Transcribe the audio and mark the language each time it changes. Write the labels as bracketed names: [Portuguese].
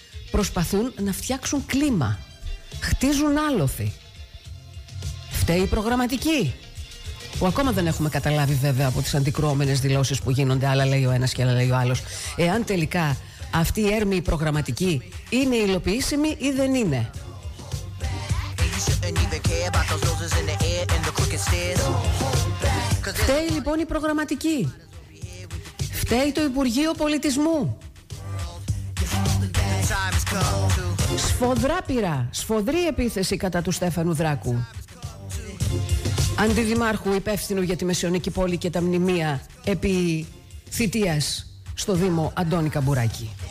[Greek] Προσπαθούν να φτιάξουν κλίμα. Χτίζουν άλοθη. Φταίει η προγραμματική, που ακόμα δεν έχουμε καταλάβει βέβαια από τις αντικρουόμενες δηλώσεις που γίνονται, άλλα λέει ο ένας και άλλα λέει ο άλλος, εάν τελικά αυτή η έρμη η προγραμματική είναι υλοποιήσιμη ή δεν είναι. [English] didn't even care about those noses in the air and the crooked stairs. [Greek] Φταίει λοιπόν η προγραμματική. Φταίει το Υπουργείο Πολιτισμού. Σφοδρά πειρά, σφοδρή επίθεση κατά του Στέφανου Δράκου, αντιδημάρχου υπεύθυνου για τη Μεσαιωνική Πόλη και τα μνημεία επί θητείας στο Δήμο Αντώνη Καμπουράκη.